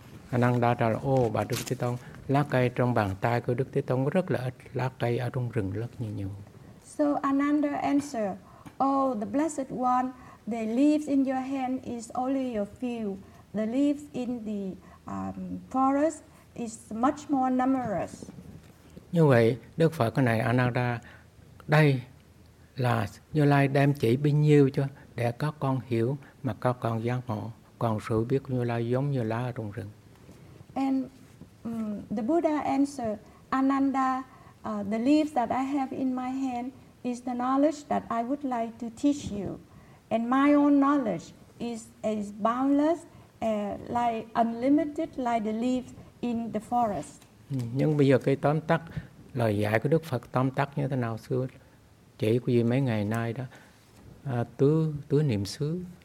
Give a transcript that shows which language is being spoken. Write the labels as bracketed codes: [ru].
[vi] Ananda trả lời, oh, bà Đức Thế Tôn, lá cây trong bàn tay của Đức Thế Tôn rất là ít, lá cây ở trong rừng rất nhiều. [en] So Ananda answered, oh, the Blessed One, the leaves in your hand is only a few. The leaves in the forest is much more numerous. [vi] Như vậy, Đức Phật cái này, Ananda, đây là Như Lai đem chỉ bao nhiêu cho để các con hiểu mà các con giác ngộ. Còn sự biết của Như Lai giống như lá ở trong rừng. [en] And The Buddha answered, Ananda, the leaves that I have in my hand is the knowledge that I would like to teach you. And my own knowledge is boundless, like unlimited, like the leaves in the forest. [vi] Nhưng bây giờ cái tóm tắt lời dạy của Đức Phật tóm tắt như thế nào xưa chỉ của duy mấy ngày nay đó tứ niệm xứ.